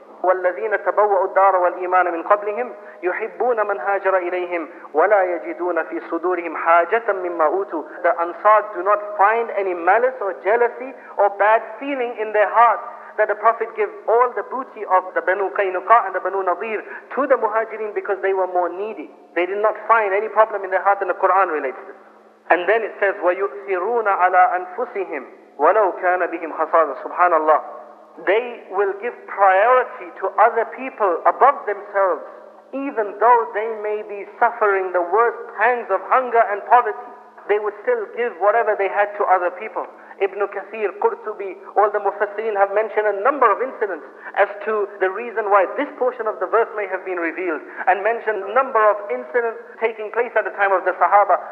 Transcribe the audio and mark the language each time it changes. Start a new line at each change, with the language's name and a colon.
Arabic: وَالَّذِينَ تَبَوَّأُوا الدَّارَ وَالْإِيمَانَ مِنْ قَبْلِهِمْ يُحِبُّونَ مَنْ هَاجَرَ إِلَيْهِمْ وَلَا يَجِدُونَ فِي صُدُورِهِمْ حَاجَةً مِمَّا أُوتُوا.
English: The Ansar do not find any malice or jealousy or bad feeling in their hearts that the Prophet gave all the booty of the Banu Qaynuqa and the Banu Nadir to the Muhajirin because they were more needy. They did not find any problem in their heart, and the Quran relates this. And then it says,
Arabic: وَيُؤْثِرُونَ عَلَىٰ أَنفُسِهِمْ وَلَوْ كَانَ بِهِمْ خَصَاصَةٌ. Subhanallah.
English: They will give priority to other people above themselves, even though they may be suffering the worst pangs of hunger and poverty. They would still give whatever they had to other people. Ibn Kathir, Qurtubi, all the Mufassirin have mentioned a number of incidents as to the reason why this portion of the verse may have been revealed, and mentioned a number of incidents taking place at the time of the Sahaba.